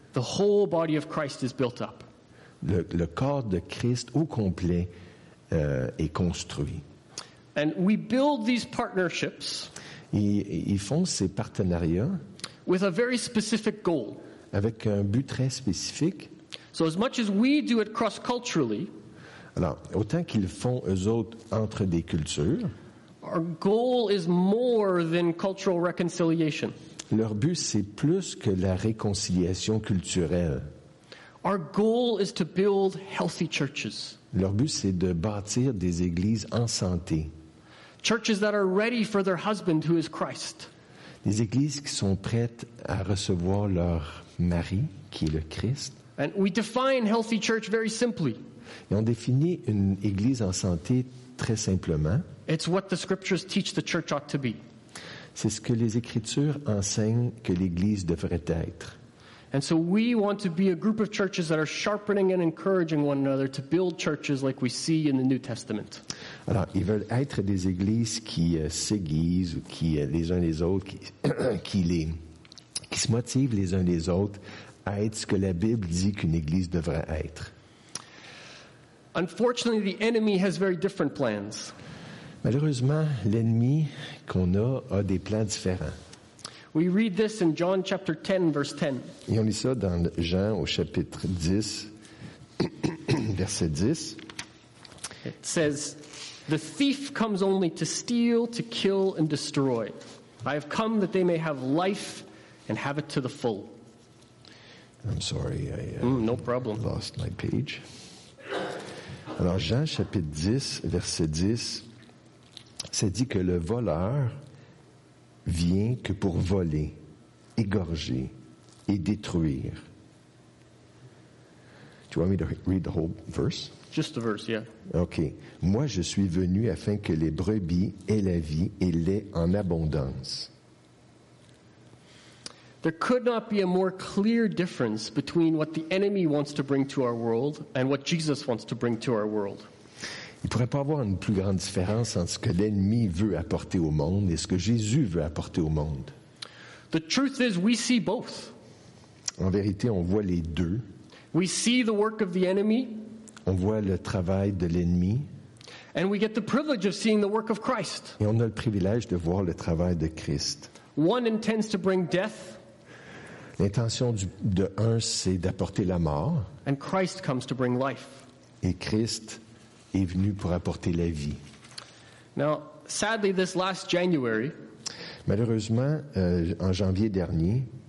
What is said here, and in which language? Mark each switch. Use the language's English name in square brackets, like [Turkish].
[English] The whole body of Christ is built up. [French] Le corps de Christ au complet est construit. [English] And we build these partnerships. [French] Ils font ces partenariats. [English] With a very specific goal. [French] Avec un but très spécifique. [English] So as much as we do it cross-culturally, [French] alors, autant qu'ils font eux autres entre des cultures, [English] our goal is more than cultural reconciliation. [French] Leur but, c'est plus que la réconciliation culturelle. [English] Our goal is to build healthy churches. [French] Leur but, c'est de bâtir des églises en santé. [English] Churches that are ready for their husband, who is Christ. [French] Des églises qui sont prêtes à recevoir leur mari, qui est le Christ. [English] And we define healthy church very simply. [French] Et on définit une église en santé très simplement. [English] It's what the scriptures teach the church ought to be. [French] C'est ce que les écritures enseignent que l'église devrait être. [English] And so we want to be a group of churches that are sharpening and encouraging one another to build churches like we see in the New Testament. [French] Alors, ils veulent être des églises qui s'aiguisent ou qui les uns les autres qui se motivent les uns les autres. À être ce que la Bible dit qu'une église devrait être. [English] Unfortunately, the enemy has very different plans. [French] Malheureusement, l'ennemi qu'on a des plans différents. [English] We read this in John chapter 10, verse 10. [French] Et on lit ça dans Jean au chapitre 10, verset 10. [English] It says, "The thief comes only to steal, to kill, and destroy. I have come that they may have life and have it to the full." I'm sorry, no problem. Lost my page. [French] Alors, Jean, chapitre 10, verset 10, c'est dit que le voleur vient que pour voler, égorger et détruire. [English] Do you want me to read the whole verse? Just the verse, yeah. Okay. [French] Moi, je suis venu afin que les brebis aient la vie et l'aient en abondance. [English] There could not be a more clear difference between what the enemy wants to bring to our world and what Jesus wants to bring to our world. [French] Il pourrait pas avoir une plus grande différence entre ce que l'ennemi veut apporter au monde et ce que Jésus veut apporter au monde. [English] The truth is, we see both. [French] En vérité, on voit les deux. [English] We see the work of the enemy. [French] On voit le travail de l'ennemi. [English] And we get the privilege of seeing the work of Christ. [French] Et on a le privilège de voir le travail de Christ. [English] One intends to bring death. [French] L'intention de un, c'est d'apporter la mort. [English] And Christ comes to bring life. [French] Et Christ est venu pour apporter la vie. [English] Now, sadly, this last January, [French] malheureusement, en janvier dernier,